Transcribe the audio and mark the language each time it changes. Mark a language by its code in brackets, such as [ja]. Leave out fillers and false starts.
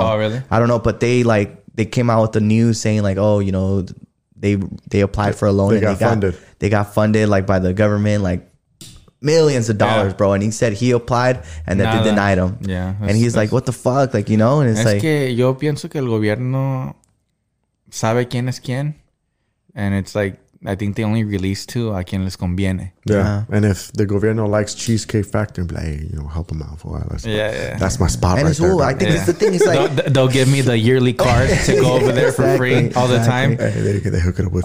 [en] Oh, really? I don't know. But they came out with the news saying like, oh, you know, They applied for a loan and they got funded like by the government, like millions of dollars, bro. And he said he applied and that they denied him. Yeah. And he's like, what the fuck? Like, you know, and it's like, [es] que yo pienso que el gobierno sabe quién es quién. [en] And it's like, I think they only release to [es] a quien les conviene. [en] Yeah. And if the gobierno likes Cheesecake Factory, be like, hey, you know, help them out for a while. That's my spot and right there. Ooh, I think it's the thing. It's like, they'll give me the yearly card to go over there for free all the time. Hey, they hook it up with